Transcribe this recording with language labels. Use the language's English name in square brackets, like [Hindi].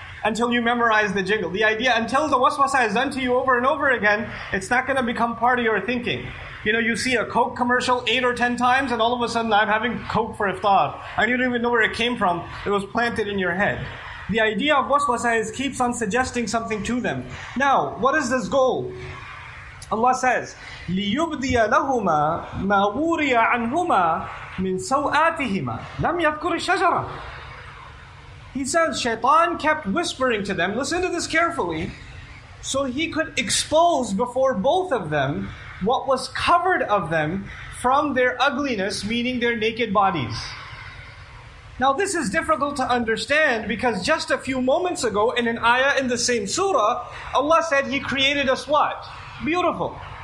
[English] Until you memorize the jingle. The idea, until the waswasa is done to you over and over again, it's not going to become part of your thinking. You know, you see a Coke commercial 8 or 10 times, and all of a sudden I'm having Coke for iftar. And you don't even know where it came from. It was planted in your head. The idea of waswasa is keeps on suggesting something to them. Now, what is this goal? Allah says, [Arabic] لِيُبْدِيَ لَهُمَا مَا وُورِيَ عَنْهُمَا مِنْ سَوْآتِهِمَا لَمْ يَذْكُرِ الشَّجَرَةَ. [English] He says, Shaitan kept whispering to them, listen to this carefully, so he could expose before both of them what was covered of them from their ugliness, meaning their naked bodies. Now this is difficult to understand because just a few moments ago in an ayah in the same surah, Allah said he created us what? Beautiful.